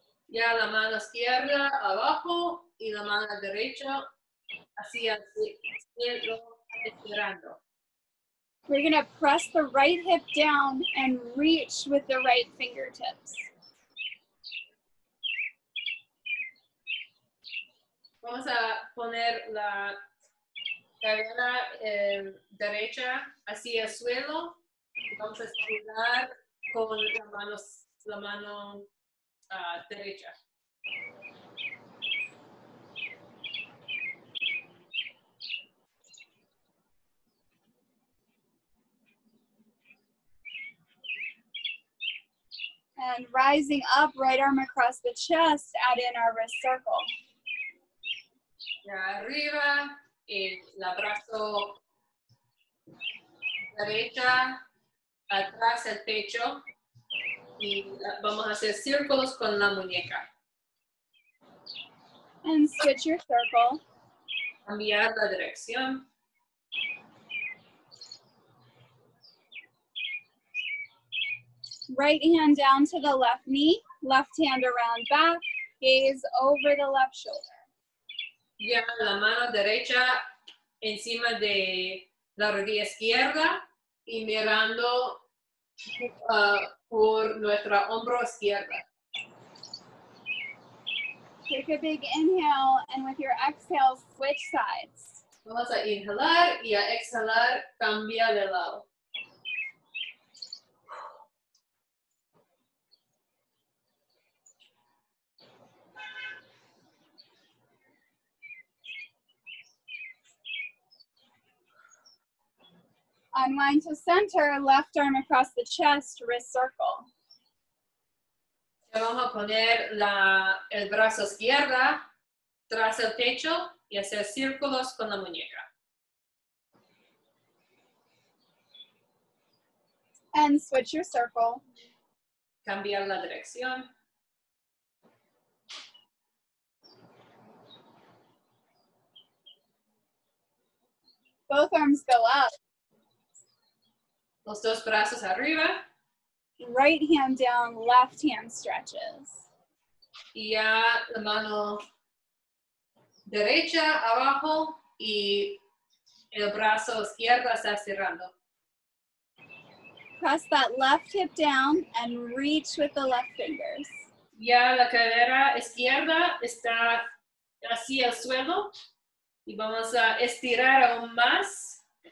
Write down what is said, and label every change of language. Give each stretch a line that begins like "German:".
Spanish: Ya la mano izquierda abajo y la mano derecha hacia izquierdo estirando.
English: We're going to press the right hip down and reach with the right fingertips.
Spanish: Vamos a poner la cadera derecha hacia el suelo. Vamos a estirar con la mano derecha.
English: And rising up, right arm across the chest, add in our wrist circle.
Spanish: Arriba, el brazo derecha, atrás el pecho, y vamos a hacer círculos con la muñeca.
English: And switch your circle.
Spanish: Cambiar la dirección.
English: Right hand down to the left knee, left hand around back, gaze over the left shoulder.
Spanish: Lleva la mano derecha encima de la rodilla izquierda y mirando por nuestra hombro izquierda.
English: Take a big inhale and with your exhale, switch sides.
Spanish: Vamos a inhalar y a exhalar, cambia de lado.
English: Unwind to center, left arm across the chest, wrist circle.
Spanish: Vamos a poner el brazo izquierdo tras el pecho y hacer círculos con la muñeca.
English: And switch your circle.
Spanish: Cambiar la dirección.
English: Both arms go up.
Spanish: Los dos brazos arriba.
English: Right hand down, left hand stretches.
Spanish: Y ya la mano derecha abajo y el brazo izquierdo está cerrando.
English: Press that left hip down and reach with the left fingers.
Spanish: Ya la cadera izquierda está hacia el suelo y vamos a estirar aún más.